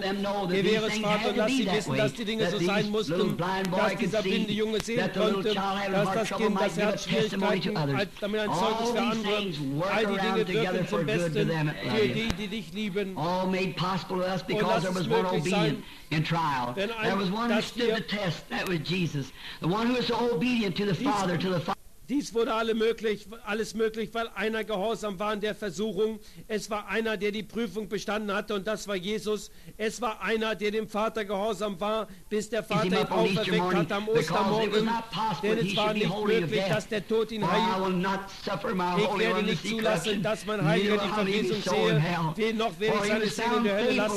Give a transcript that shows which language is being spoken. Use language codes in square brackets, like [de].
[de] Gewähre es, Vater, dass sie wissen, dass die Dinge so sein mussten, dass dieser blinde Junge sehen konnte, dass das Kind das Herz Schwierigkeiten damit ein Zeugnis für andere. All die Dinge wirken zum Besten für die, die dich lieben. Und lass es möglich sein. [en] In trial. [de] Denn ein, [en] there was one who stood the test. That was Jesus. The one who is so obedient to the Father, to the Father. [de] Dies wurde alles möglich, weil einer gehorsam war in der Versuchung. Es war einer, der die Prüfung bestanden hatte, und das war Jesus. Es war einer, der dem Vater gehorsam war, bis der Vater ihn auferweckt hat am Ostermorgen. Denn es war nicht möglich, dass der Tod ihn heilt. Ich werde nicht zulassen, dass mein Heiliger die Verwesung sehe, noch werde ich seine Seele in der Hölle lassen.